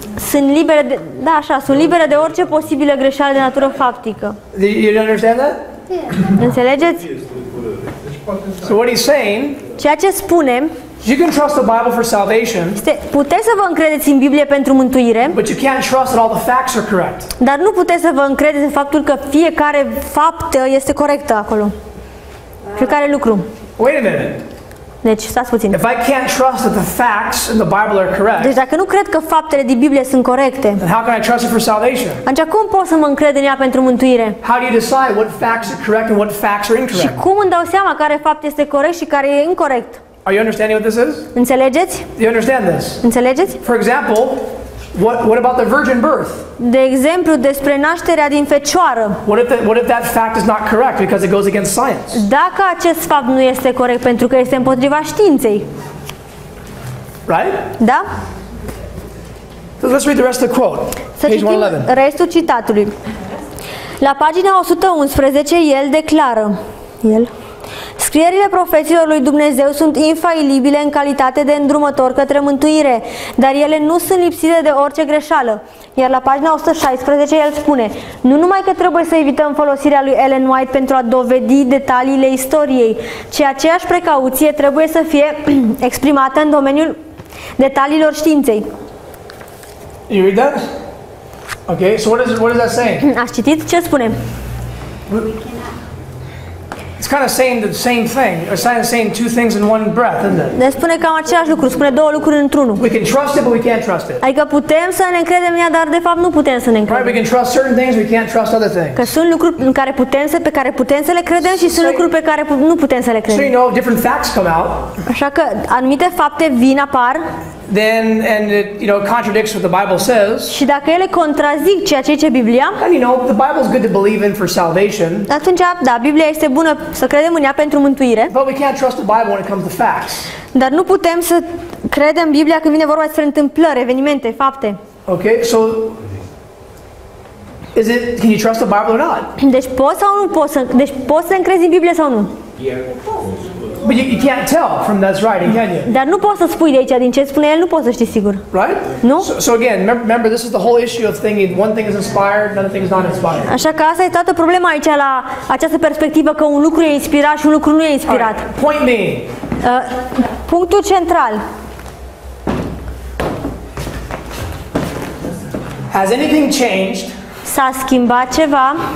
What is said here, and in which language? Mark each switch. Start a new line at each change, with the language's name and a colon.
Romanian: Sunt libere de, da, așa, sunt libere de orice posibilă greșeală de natură faptică.
English: You understand that?
Romanian: Înțelegeți?
English: So what he's saying?
Romanian: Ceea ce spunem?
English: You can trust the Bible for salvation.
Romanian: Puteți să vă încredeți în Biblie pentru mântuire.
English: But you can't trust that all the facts are correct.
Romanian: Dar nu puteți să vă încredeți în faptul că fiecare faptă este corectă acolo. Fiecare lucru.
English: Wait a minute.
Romanian: Deci, stați puțin.
English: If I can't trust that the facts in the Bible are correct.
Romanian: Deci dacă nu cred că faptele din Biblie sunt corecte.
English: Then how can I trust it for salvation?
Romanian: Atunci cum pot să mă încred în ea pentru mântuire?
English: How do you decide what facts are correct and what facts are incorrect?
Romanian: Și cum îmi dau seama care fapt este corect și care e incorrect?
English: Are you understanding what this is?
Romanian: Înțelegeți?
English: Do you understand this?
Romanian: Înțelegeți?
English: For example, what about the virgin birth?
Romanian: De exemplu, despre nașterea din fecioară.
English: What if that fact is not correct because it goes against science?
Romanian: Dacă acest fapt nu este corect pentru că este împotriva științei.
English: Right?
Romanian: Da?
English: So let's read the rest of the quote.
Romanian: Să citim restul citatului. La pagina 111, el declară, el, scrierile profeților lui Dumnezeu sunt infailibile în calitate de îndrumător către mântuire, dar ele nu sunt lipsite de orice greșeală. Iar la pagina 116, el spune, nu numai că trebuie să evităm folosirea lui Ellen White pentru a dovedi detaliile istoriei, ci aceeași precauție trebuie să fie exprimată în domeniul detaliilor științei.
English: You read that? Okay, so what is that saying?
Romanian: Ați citit? Ce spune?
English: It's kind of saying the same thing, or saying two things in one breath, isn't it?
Romanian: Ne spune cam același lucru, spune două lucruri într-unul.
English: We can trust it, but we can't trust it.
Romanian: Adică putem să ne credem în ea, dar de fapt nu putem să ne credem.
English: Right, we can trust certain things, we can't trust other things.
Romanian: Că sunt lucruri în care putem să, pe care putem să le credem și sunt lucruri pe care nu putem să le credem.
English: So you know, different facts come out.
Romanian: Așa că anumite fapte vin apar.
English: Then and it, you know, contradicts what the Bible says.
Romanian: Și dacă ele contrazic ceea ce zice Biblia?
English: And you know, the Bible is good to believe in for salvation.
Romanian: Atunci, da, Biblia este bună să credem în ea pentru mântuire.
English: But we can't trust the Bible when it comes to facts.
Romanian: Dar nu putem să credem Biblia când vine vorba despre întâmplări, evenimente, fapte.
English: Okay, so is it, can you trust the Bible or not?
Romanian: Deci poți sau nu poți să, deci poți să crezi în Biblie sau nu?
English: Yeah. But you can't tell from that's writing, can you?
Romanian: Dar nu poți să spui de aici din ce spune el, nu poți să știi sigur.
English: Right?
Romanian: Nu?
English: So again, remember this is the whole issue of thinking one thing is inspired, another thing is not inspired.
Romanian: Așa că asta e toată problema aici la această perspectivă că un lucru e inspirat și un lucru nu e inspirat.
English: Right. Point me.
Romanian: Punctul central.
English: Has anything changed?
Romanian: S-a schimbat ceva?